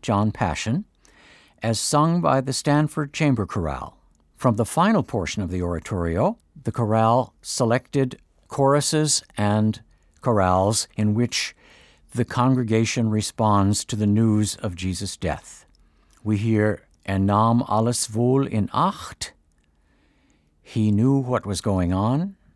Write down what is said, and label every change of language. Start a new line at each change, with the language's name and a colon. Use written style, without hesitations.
English: John Passion, as sung by the Stanford Chamber Chorale. From the final portion of the oratorio, the chorale selected choruses and chorales in which the congregation responds to the news of Jesus' death. We hear,
German: Er nahm alles wohl in Acht.
English: He knew what was going on.